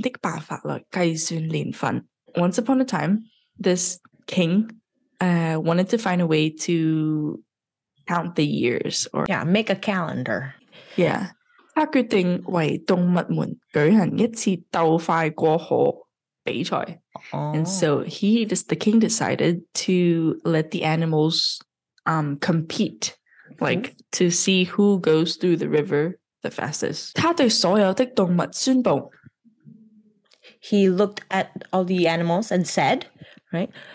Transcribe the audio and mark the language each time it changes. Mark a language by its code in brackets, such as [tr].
[zh] 玉皇大帝想找一个方便的办法来计算年份. [en] Once upon a time, this king wanted to find a way to count the years. Or yeah, make a calendar. Yeah. [zh] 他决定为动物们举行一次斗快过河比赛. [en] And so he, just the king, decided to let the animals compete, like to see who goes through the river the fastest. [zh] 他对所有的动物宣布, [en] he looked at all the animals and said, right?